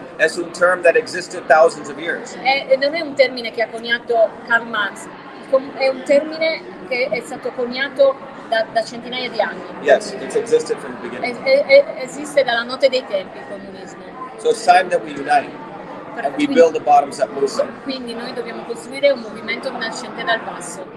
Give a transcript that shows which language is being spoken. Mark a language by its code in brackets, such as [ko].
[en] As a term that existed thousands of years. [it] Non è un termine che ha coniato Karl Marx. È un termine che è stato coniato da centinaia di anni. [en] Yes, it's existed from the beginning. [it] Esiste dalla notte dei tempi il comunismo. [en] So it's time that we unite and we build a bottoms-up movement. [it] Quindi noi dobbiamo costruire un movimento nascente dal basso.